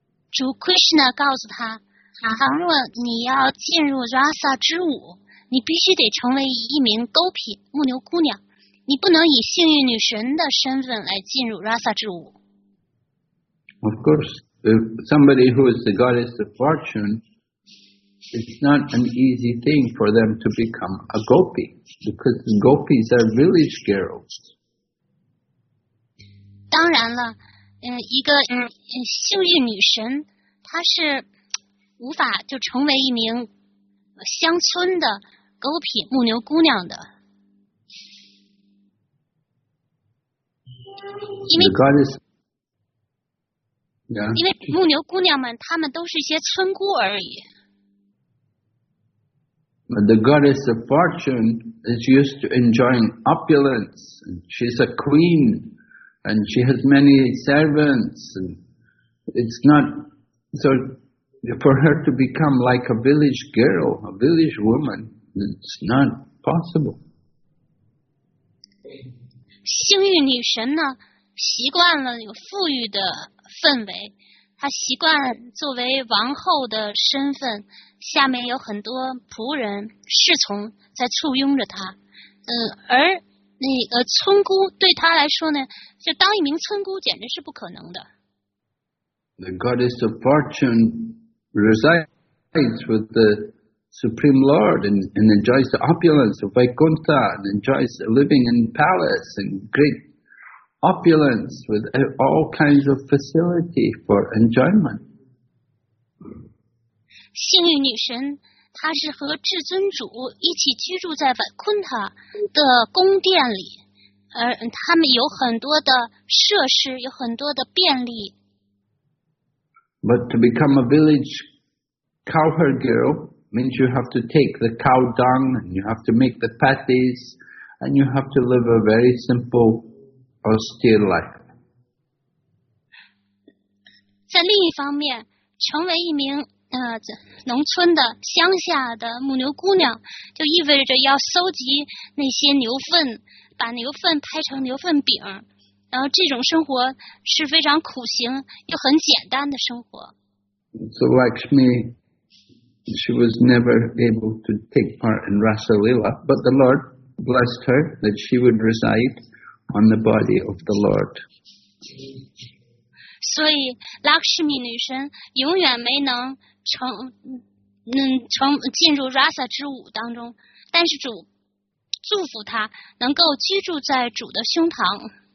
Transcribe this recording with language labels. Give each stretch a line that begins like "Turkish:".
Chinese: 主 Krishna 告诉他，倘若你要进入 Rasa 之舞，你必须得成为一名 gopi 牧牛姑娘，你不能以幸运女神的身份来进入 Rasa 之舞。
English: Of course, if somebody who is the goddess of fortune. It's not an easy thing for them to become a gopi because gopis are village girls.
Chinese: 当然了，一个幸运女神，她是无法就成为一名乡村的 gopi 牧牛姑娘的。因为牧牛姑娘们，她们都是一些村姑而已。
English: But the goddess of fortune is used to enjoying opulence. She's a queen, and she has many servants. And it's not so for her to become like a village girl, a village woman. It's not possible.
Chinese: 幸运女神呢，习惯了有富裕的氛围，她习惯作为王后的身份。下面有很多仆人侍从在簇拥着他，而那个村姑对他来说呢，就当一名村姑简直是不可能的。
English: The goddess of fortune resides with the supreme lord and enjoys the opulence of Vaikuntha and enjoys living in palace and great opulence with all kinds of facility for enjoyment.
Chinese: 幸运女神，她是和至尊主一起居住在维昆塔的宫殿里，而他们有很多的设施，有很多的便利。
English: But to become a village cowherd girl means you have to take the cow dung and you have to make the patties and you have to live a very simple, austere life.
Chinese: 在另一方面，成为一名农村的乡下的母牛姑娘，就意味着要搜集那些牛粪，把牛粪拍成牛粪饼，然后这种生活是非常苦行又很简单的生活。
English: So Lakshmi, she was never able to take part in Rasa Lila, but the Lord blessed her that she would reside on the body of the Lord.
Chinese: 所以 Lakshmi 女神永远没能成进入 Rasa 之舞当中，但是主祝福她能够居住在主的胸膛。